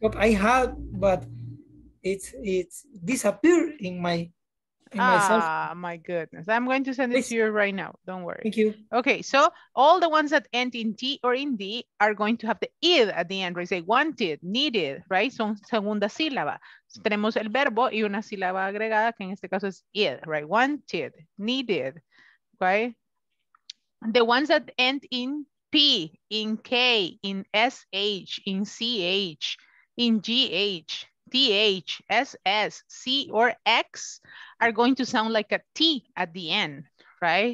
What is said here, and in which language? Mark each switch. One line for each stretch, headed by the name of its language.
English: I have, but it's disappeared in my myself. My goodness, I'm going to send it to you right now, don't worry. Thank you. Okay, so all the ones that end in T or in D are going to have the id at the end, right? Say wanted, needed, right?
Spanish: Son segunda sílaba. Tenemos el verbo y una sílaba agregada que en este caso es id, right?
English: Wanted, needed, okay. The ones that end in P, in K, in SH, in CH, in GH, TH, SS, C, or X are going to sound like a T at the end, right?